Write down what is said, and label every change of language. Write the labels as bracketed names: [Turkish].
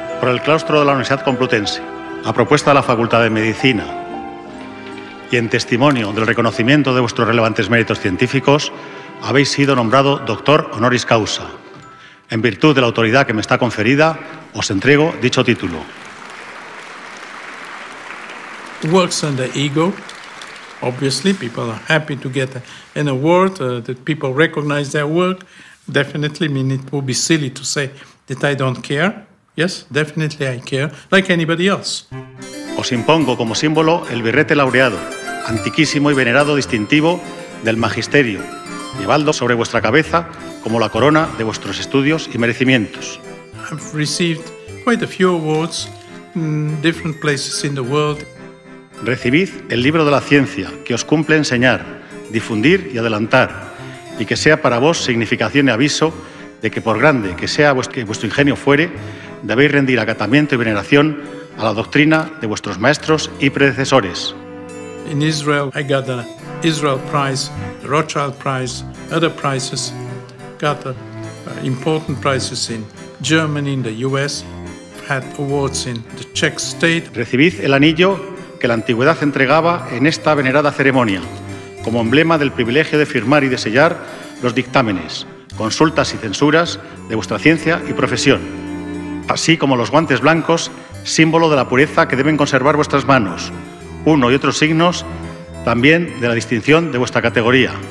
[Spanish] el claustro de la Universidad Complutense, a propuesta de la Facultad de Medicina y en testimonio del reconocimiento de vuestros relevantes méritos científicos, habéis sido nombrado doctor honoris causa. En virtud de la autoridad que me está conferida, os entrego dicho título. [English] Works on the ego. Obviously, people are happy to get an award, that people recognize their work. Definitely, I mean, it would be silly to say that I don't care. Yes, definitely I care, like anybody else. [Spanish] Os impongo como símbolo el birrete laureado, antiquísimo y venerado distintivo del magisterio. Llevadlo sobre vuestra cabeza como la corona de vuestros estudios y merecimientos. [English] I've received quite a few awards in different places in the world. [Spanish] Recibid el libro de la ciencia que os cumple enseñar, difundir y adelantar, y que sea para vos significación y aviso de que por grande que sea vuestro ingenio fuere, debéis rendir acatamiento y veneración a la doctrina de vuestros maestros y predecesores. [English] In Israel, I got the Israel Prize, the Rothschild Prize, other prizes, got important prizes in Germany, in the US, had awards in the Czech state. [Spanish] Recibid el anillo que la antigüedad entregaba en esta venerada ceremonia, como emblema del privilegio de firmar y de sellar los dictámenes, consultas y censuras de vuestra ciencia y profesión, así como los guantes blancos, símbolo de la pureza que deben conservar vuestras manos, uno y otros signos también de la distinción de vuestra categoría.